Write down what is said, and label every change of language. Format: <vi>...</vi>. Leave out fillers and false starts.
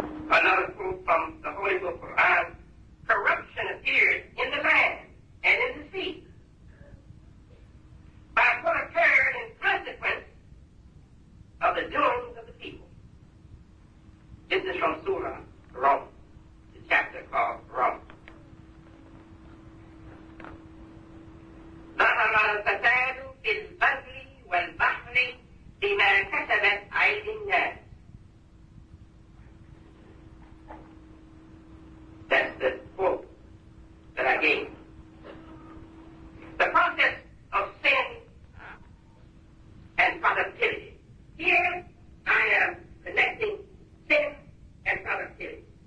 <en>Another quote from the Holy Book Quran, corruption appeared in the land and in the sea by what occurred in consequence of the doings of the people. This is from Surah Rum, the chapter called Rum.</en> <ar>ظهر الفساد في البر والبحر بما كسبت أيدي الناس.</ar> <en>That's the quote that I gave. The process of sin and productivity. Here I am connecting sin and productivity.</en>